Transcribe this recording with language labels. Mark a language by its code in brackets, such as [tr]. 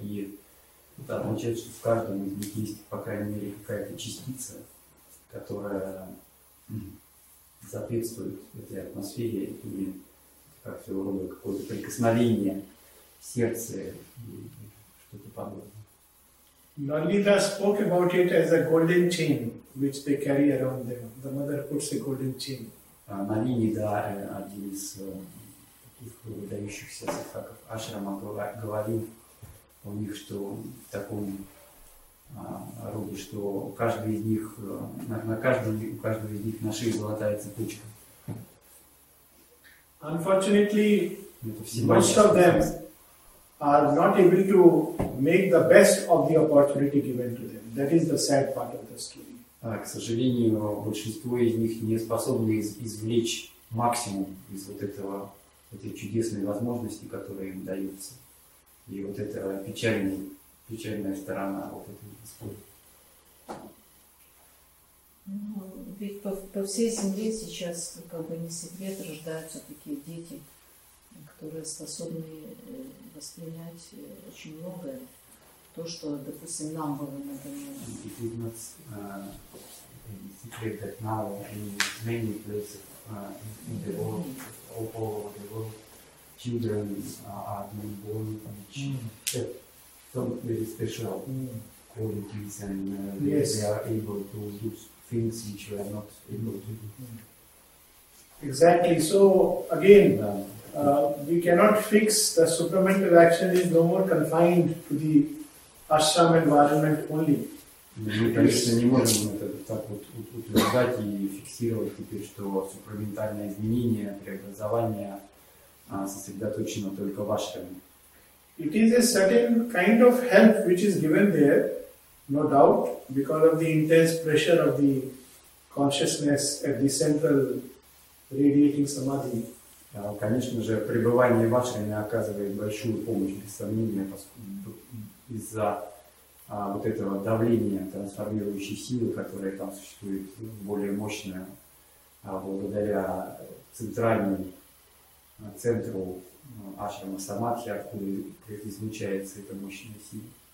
[ru] И это означает, что в каждом из них есть, по крайней мере, какая-то частица, которая соответствует этой атмосфере или как своего рода какое-то прикосновение. Сердце и что-то подобное. [en] Лалита spoke about it as a golden chain, which they carry around them. The mother puts a golden chain. [ru] Налинида, один из таких выдающихся садхаков ашрама, говорил у них, что в таком роде, что каждый из них, у каждого из них на шее золотая цепочка. [en] Unfortunately, most of them are not able to make the best of the opportunity given to them. That is the sad part of the story. [ru] К сожалению, большинство из них не способны извлечь максимум из вот этого этой чудесной возможности, которая им дается. И вот это печальная сторона вот этой истории. Ведь по всей земле сейчас как бы не секрет рождаются такие дети, кто которые способны воспринять очень многое. То, что, допустим, нам было, например. [en] In the world, all over the world, children are being born, which have some very special qualities, and they are able to do things which we are not able to do. Exactly. So again, we cannot fix the supramental action. Is no more confined to the ashram environment only. [ru] Мы, конечно, не можем это так вот утверждать и фиксировать теперь, что супраментальное изменение, преобразование сосредоточено только в ашраме. [en] It is a certain kind of help which is given there, no doubt, because of the intense pressure of the consciousness at the central radiating samadhi. [ru] Конечно же, пребывание в ашраме оказывает большую помощь, без сомнения, поскольку из-за вот этого давления трансформирующей силы, которая там существует, более мощная, благодаря центру ашрама самадхи, откуда излучается эта мощная сила.